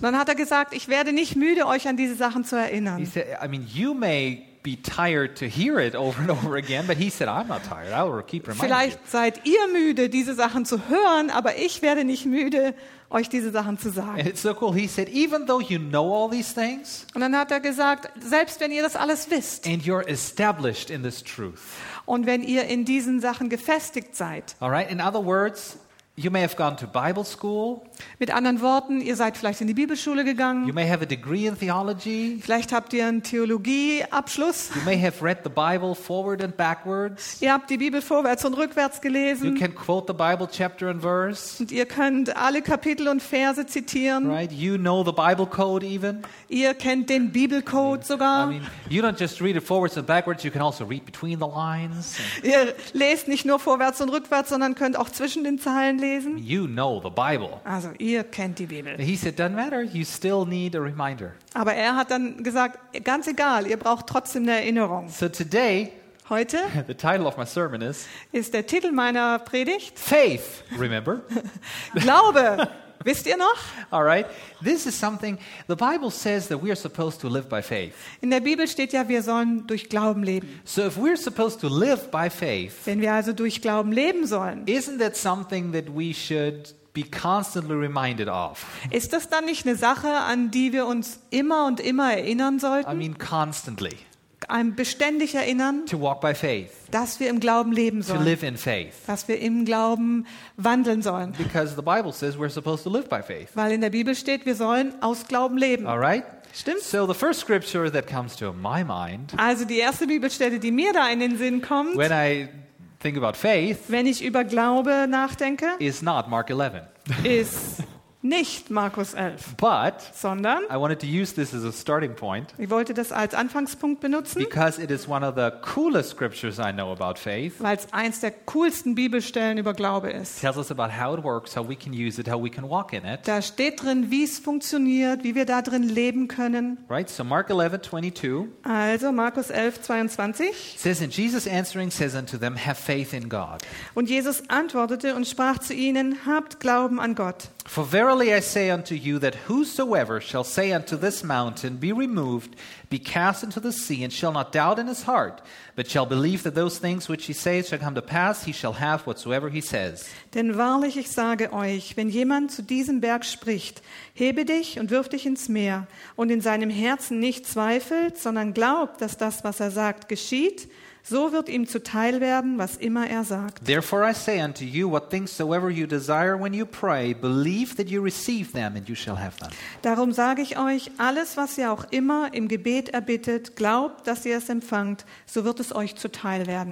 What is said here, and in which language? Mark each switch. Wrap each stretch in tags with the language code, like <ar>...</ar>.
<de>Und dann hat er gesagt, ich werde nicht müde, euch an diese Sachen zu erinnern.</de> <en>He said, I mean, you may be tired to hear it over and over again, but he said, I'm not tired. I will keep reminding you.</en> <de>Vielleicht seid ihr müde, diese Sachen zu hören, aber ich werde nicht müde, euch diese Sachen zu sagen.</de> <en>And it's so cool. He said, even though you know all these things,</en> <de>und dann hat er gesagt, selbst wenn ihr das alles wisst,</de> <en>and you're established in this truth,</en> <de>und wenn ihr in diesen Sachen gefestigt seid.</de> <en>All right. In other words, you may have gone to Bible school.</en> <de>Mit anderen Worten, ihr seid vielleicht in die Bibelschule gegangen.</de> <en>You may have a degree in theology.</en> <de>Vielleicht habt ihr einen Theologieabschluss.</de> <en>You may have read the Bible forward and backwards.</en> <de>Ihr habt die Bibel vorwärts und rückwärts gelesen.</de> <en>You can quote the Bible chapter and verse.</en> <de>Und ihr könnt alle Kapitel und Verse zitieren.</de> <en>Right? You know the Bible code even.</en> <de>Ihr kennt den Bibelcode sogar.</de> <en>I mean, you don't just read it forwards and backwards. You can also read between the lines.</en> <de>Ihr lest nicht nur vorwärts und rückwärts, sondern könnt auch zwischen den Zeilen lesen.</de> <en>You know the Bible.</en> <de>Also ihr kennt die Bibel.</de> <en>He said, doesn't matter, you still need a reminder.</en> <de>Aber er hat dann gesagt, ganz egal, ihr braucht trotzdem eine Erinnerung.</de> <en>So today,</en> <de>heute,</de> <en>the title of my sermon is,</en> <de>ist der Titel meiner Predigt,</de> <en>Faith, remember?</en> <de>Glaube, wisst ihr noch?</de> <en>All right. This is something, the Bible says that we are supposed to live by faith.</en> <de>In der Bibel steht ja, wir sollen durch Glauben leben.</de> <en>So if we're supposed to live by faith,</en> <de>wenn wir also durch Glauben leben sollen,</de> <en>isn't that something that we should be constantly reminded of?</en> <de>Ist das dann nicht eine Sache, an die wir uns immer und immer erinnern sollten?</de> <en>I mean constantly.</en> <de>Ein beständig erinnern,</de> <en>to walk by faith,</en> <de>dass wir im Glauben leben sollen,</de> <en>to live in faith,</en> <de>dass wir im Glauben wandeln sollen,</de> <en>because the Bible says we're supposed to live by faith,</en> <de>weil in der Bibel steht, wir sollen aus Glauben leben.</de> <en>All right?</en> <de>Stimmt?</de> <en>So the first scripture that comes to my mind,</en> <de>also die erste Bibelstelle, die mir da in den Sinn kommt,</de> <en>when I think about faith,</en> <de>wenn ich über Glaube nachdenke,</de> <en>is not Mark 11.</en> <de>Ist nicht Markus 11,</de> <en>but</en> <de>sondern</de> <en>I wanted to use this as a starting point.</en> <de>Ich wollte das als Anfangspunkt benutzen,</de> <en>because it is one of the coolest scriptures I know about faith.</en> <de>Weil es eins der coolsten Bibelstellen über Glaube ist.</de> <en>Tells us about how it works, how we can use it, how we can walk in it.</en> <de>Da steht drin, wie es funktioniert, wie wir da drin leben können.</de> <en>Right, so Mark 11:22.</en> <de>Also Markus 11:22.</de> <en>Says, and Jesus answering says unto them, have faith in God.</en> <de>Und Jesus antwortete und sprach zu ihnen, habt Glauben an Gott.</de> <en>For verily I say unto you, that whosoever shall say unto this mountain, be removed, be cast into the sea, and shall not doubt in his heart, but shall believe that those things which he saith shall come to pass, he shall have whatsoever he says.</en> <de>Denn wahrlich ich sage euch, wenn jemand zu diesem Berg spricht, hebe dich und wirf dich ins Meer, und in seinem Herzen nicht zweifelt, sondern glaubt, dass das, was er sagt, geschieht, so wird ihm zuteil werden, was immer er sagt.</de> <en>Therefore I say unto you, what things soever you desire when you pray, believe that you receive them, and you shall have them.</en> <de>Darum sage ich euch, alles, was ihr auch immer im Gebet erbittet, glaubt, dass ihr es empfangt, so wird es euch zuteil werden.</de>